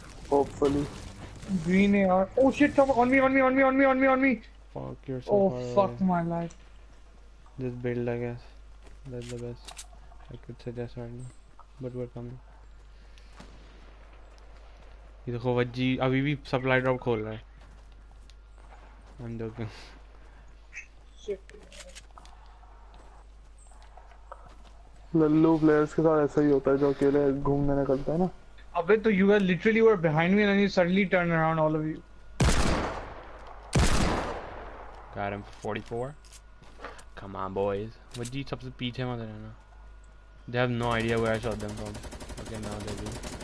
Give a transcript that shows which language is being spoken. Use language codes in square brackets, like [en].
[en] Hopefully. Green AR. Oh shit, on me. Fuck yourself. Oh far fuck away. My life. Just build, I guess. That's the best I could suggest right now. But we're coming. [hi] ये देखो वज्जी अभी भी supply drop खोल रहा है. [en] I'm joking. [hi] Lallu players के साथ ऐसा ही होता है जो अकेले घूमने निकलता है ना. [en] अबे तो you guys literally were behind me and then you suddenly turn around all of you. Got him for 44. Come on boys. [hi] Vajji सबसे पीछे मत रहना. [en] They have no idea where I shot them from. Okay, now they do.